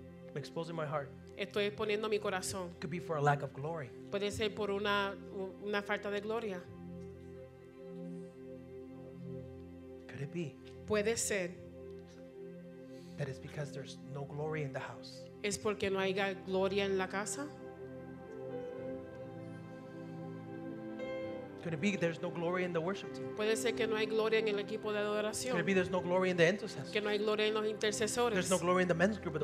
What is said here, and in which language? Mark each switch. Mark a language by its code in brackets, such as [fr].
[en] I'm exposing my heart. [es] Estoy poniendo mi corazón. [en] Could be for a lack of glory. [es] Puede ser por una falta de gloria. [en] Could it be? [es] Puede ser. [en] That it's because there's no glory in the house. [es] Es porque no haya gloria en la casa. [en] Could it be there's no glory in the worship team? [es] Puede ser que no hay gloria en el equipo de adoración. [en] Could it be there's no glory in the intercessors? [es] Que no hay gloria en los intercesores. [en] There's no glory in the men's group or the